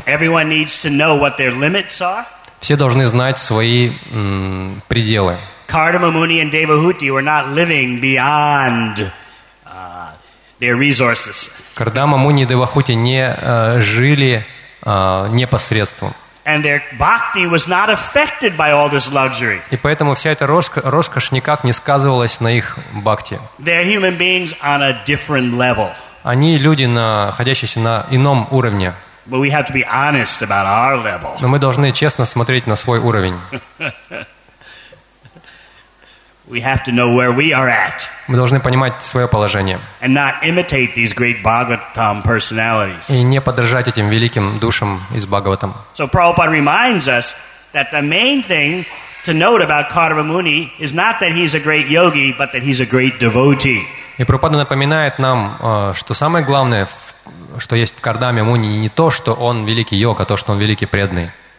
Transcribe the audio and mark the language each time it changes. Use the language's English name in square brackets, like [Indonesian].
[English] Everyone needs to know what their limits are. [Russian] Все должны знать свои пределы. [English] Kardama Muni and Devahuti were not living beyond their resources. [Russian] Кардама Муни и Девахути не жили непосредством. [English] And their bhakti was not affected by all this luxury. [Russian] И поэтому вся эта роскошь никак не сказывалась на их бхакти. [English] They're human beings on a different level. [Russian] Они люди, находящиеся на ином уровне. [English] But we have to be honest about our level. [Russian] Но мы должны честно смотреть на свой уровень. [English] We have to know where we are at. [Russian] Мы должны понимать свое положение. [English] And not imitate these great Bhagavatam personalities. [Russian] И не подражать этим великим душам из Бхагаватам. [English] So Prabhupada reminds us that the main thing to note about Kardama Muni is not that he's a great yogi, but that he's a great devotee. [Russian] И Прабхупада напоминает нам, что самое главное, что есть в Кардаме Муни, не то, что он великий йог, а то, что он великий преданный.